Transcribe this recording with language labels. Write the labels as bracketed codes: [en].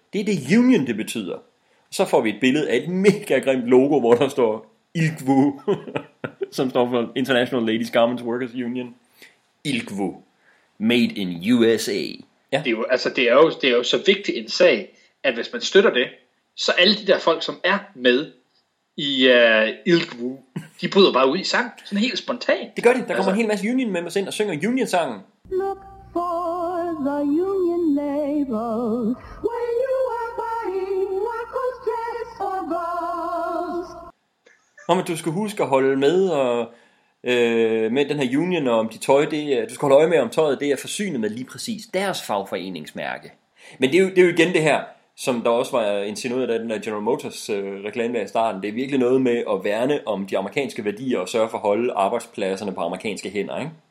[da] Det er det union, det betyder. Så får vi et billede af et mega grimt logo, hvor der står ILGWU, som står for International Ladies Garments Workers Union. ILGWU. [en] Made in USA. [da] Ja. Det er jo, altså, det er jo så vigtig en sag, at hvis man støtter det, så alle de der folk, som er med i ILGWU, de bryder bare ud i sang. Sådan helt spontant. Det gør de. Der kommer altså en hel masse union members ind og synger union-sangen. [en] Look for the union label when you are buying Marcos dress or girls. [da] Om at du skal huske at holde med og med den her union, og om de tøj, det er, du skal holde øje med, om tøjet det er forsynet med lige præcis deres fagforeningsmærke. Men det er jo igen det her, som der også var insinueret af den der General Motors reklame i starten. Det er virkelig noget med at værne om de amerikanske værdier og sørge for at holde arbejdspladserne på amerikanske hænder, ikke?